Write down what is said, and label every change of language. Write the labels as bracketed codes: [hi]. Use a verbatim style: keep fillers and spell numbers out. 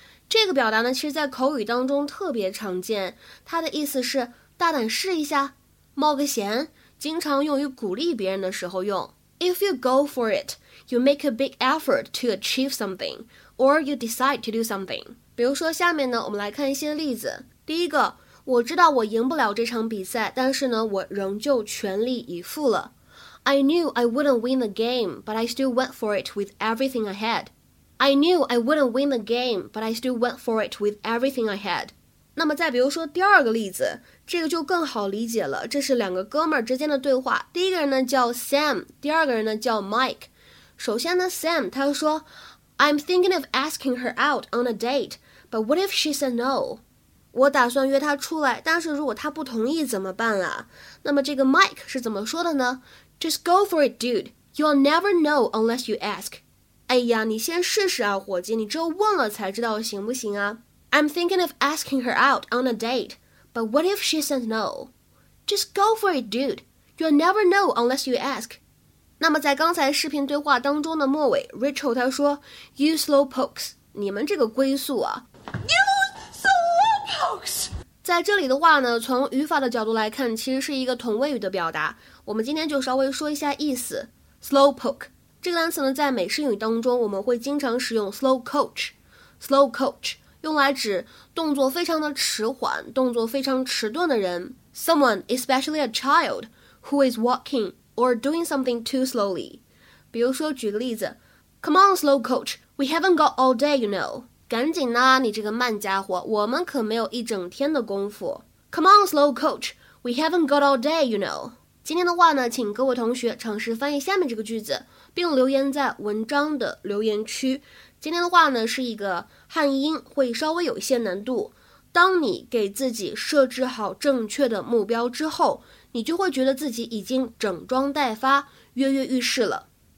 [zh] 这个表达呢，其实在口语当中特别常见，它的意思是大胆试一下，冒个险，经常用于鼓励别人的时候用。 [en] If you go for it, you make a big effort to achieve something, or you decide to do something. [zh] 比如说下面呢，我们来看一些例子。第一个，我知道我赢不了这场比赛，但是呢，我仍旧全力以赴了。 [en] I knew I wouldn't win the game, but I still went for it with everything I had. I knew I wouldn't win the game, but I still went for it with everything I had. [zh] 那么再比如说第二个例子。这个就更好理解了，这是两个哥们儿之间的对话，第一个人呢叫 Sam， 第二个人呢叫 Mike。首先呢 [en] Sam 他说 I'm thinking of asking her out on a date, but what if she said no? [zh] 我打算约她出来，但是如果她不同意怎么办啊？那么这个 Mike 是怎么说的呢？ [en] Just go for it, dude. You'll never know unless you ask. [zh] 哎呀，你先试试啊，伙计，你只有问了才知道行不行啊。 [en] I'm thinking of asking her out on a date. But what if she said no? Just go for it, dude. You'll never know unless you ask. [zh] 那么在刚才视频对话当中的末尾 Rachel 她说 [en] You slowpokes, [zh] 你们这个龟速啊。 [en] You slowpokes! [zh] 在这里的话呢，从语法的角度来看，其实是一个同位语的表达。我们今天就稍微说一下意思。 Slowpoke 这个单词呢，在美式英语当中我们会经常使用 slow coach, slow coach. 用来指动作非常的迟缓，动作非常迟钝的人。 [en] Someone, especially a child, who is walking or doing something too slowly. [zh] 比如说举个例子 [en] Come on, slow coach, we haven't got all day, you know. [zh] 赶紧啊，你这个慢家伙，我们可没有一整天的功夫。 [en] Come on, slow coach, we haven't got all day, you know. [zh] 今天的话呢，请各位同学尝试翻译下面这个句子，并留言在文章的留言区。今天的话呢，是一个汉译英，会稍微有一些难度。当你给自己设置好正确的目标之后，你就会觉得自己已经整装待发，跃跃欲试了。